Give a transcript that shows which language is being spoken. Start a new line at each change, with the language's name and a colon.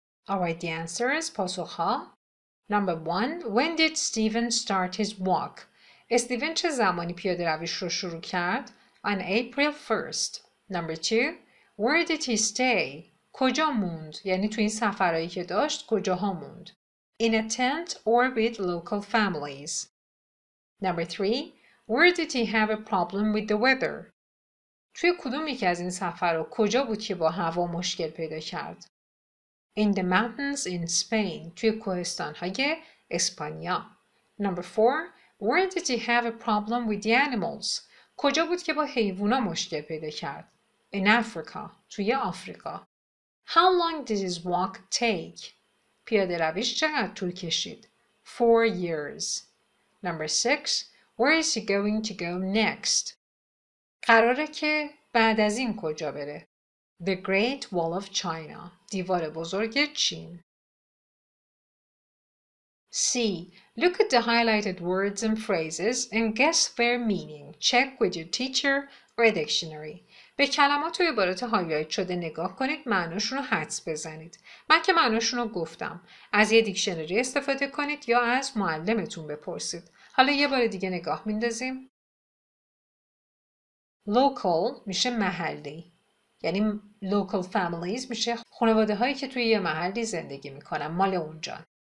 English: Alright, the answer is پاسخ‌ها. Number 1, when did Stephen start his walk?
Persian: استیون چه زمانی پیاده رویش رو شروع کرد؟
English: On April 1st. Number 2, where did he stay?
Persian: کجا موند؟ یعنی تو این سفرهایی که داشت کجاها موند؟
English: In a tent or with local families. Number 3, where did he have a problem with the weather?
Persian: توی کدوم یکی از این سفرها کجا بود که با هوا مشکل پیدا کرد؟
English: In the mountains in Spain.
Persian: توی کوهستان‌های اسپانیا.
English: Number 4, where did he have a problem with the animals?
Persian: کجا بود که با حیوانا مشکل پیدا کرد؟
English: In Africa.
Persian: توی آفریقا.
English: How long did his walk take?
Persian: پیاده رویش چقدر طول کشید؟
English: 4 years. Number 6, where is he going to go next?
Persian: قراره که بعد از این کجا بره؟
English: The Great Wall of China.
Persian: دیوار بزرگ چین.
English: C. Look at the highlighted words and phrases and guess their meaning. Check with your teacher or a dictionary.
Persian: به کلمات و عبارات هایلایت شده نگاه کنید، معناشون رو حدس بزنید. من که معناشون رو گفتم. از یه دیکشنری استفاده کنید یا از معلمتون بپرسید. حالا یه بار دیگه نگاه میندازیم. Local میشه محلی. یعنی local families میشه خانواده هایی که توی یه محلی زندگی میکنن، مال اونجا.